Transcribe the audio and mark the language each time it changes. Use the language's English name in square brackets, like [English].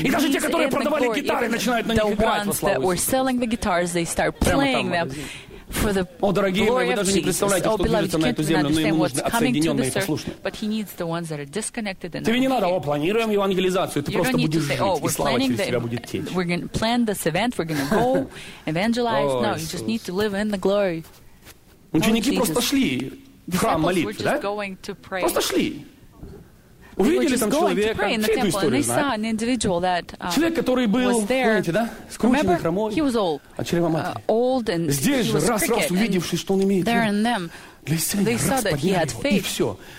[Russian] И даже те, которые продавали гитары, начинают на них играть во славу Иисуса. Прямо там в магазине. О, дорогие мои, вы даже не представляете, что движется на эту землю, но ему нужны отсоединенные и послушные. Тебе не надо, планируем евангелизацию, ты просто будешь жить, и слава через тебя будет течь. [English] We're going to plan this event, we're going to go evangelize. No, you just need to live in the glory. [Russian] Ученики просто шли в храм молитвы, да? Просто шли. Увидели там человека, всю эту историю знают. Человек, который был, помните, да, скрученный, хромой, от чрева матери. Здесь же, раз увидевшись, что он имеет веру, для исцеления, раз подняли его, и все.